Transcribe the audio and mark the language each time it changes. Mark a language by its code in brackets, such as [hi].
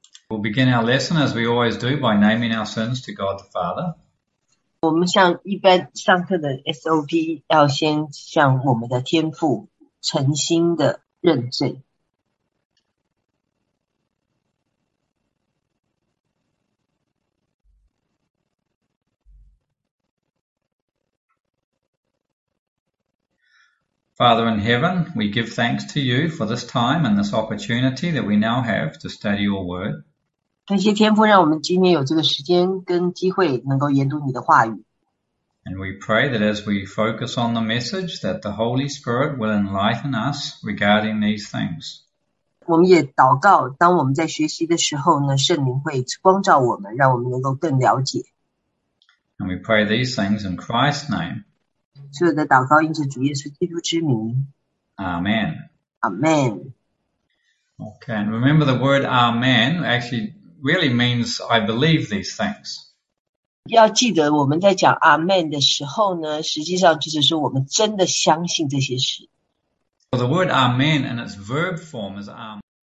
[en] We'll begin our lesson as we always do by naming our sins to God the Father. [zh] 我们像一般上课的 SOP 要先向我们的天父诚心的认罪。 [en] Father in heaven, we give thanks to you for this time and this opportunity that we now have to study your word. [zh] 感谢天父让我们今天有这个时间跟机会能够研读你的话语。 [en] And we pray that as we focus on the message, that the Holy Spirit will enlighten us regarding these things. [zh] 我们也祷告，当我们在学习的时候呢，圣灵会光照我们，让我们能够更了解。 [en] And we pray these things in Christ's name. [zh] 所有的祷告应着主耶稣基督之名。 [en] Amen. Amen. Okay, and remember the word Amen actually really means I believe these things. [zh] 要记得我们在讲 Amen 的时候呢，实际上就是说我们真的相信这些事。 [en] So the word Amen in its verb form is Amen.